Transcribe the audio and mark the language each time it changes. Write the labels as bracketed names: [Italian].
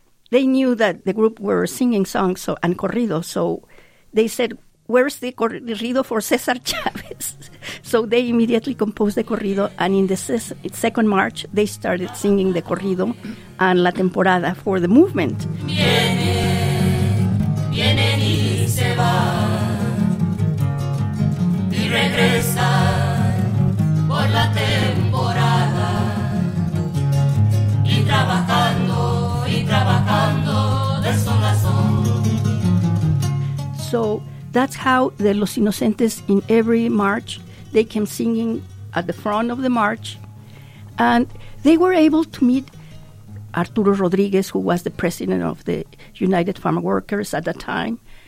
[English] They knew that the group were singing songs and corridos. So they said, where's the corrido for Cesar Chavez? So they immediately composed the corrido. And in the second march, they started singing the corrido and La Temporada for the movement. [Spanish] Vienen y se van y regresan por la temporada y trabajando de sol a sol. [English] So that's how the Los Inocentes in every march, they came singing at the front of the march, and they were able to meet Arturo Rodriguez, who was the president of the United Farm Workers at that time.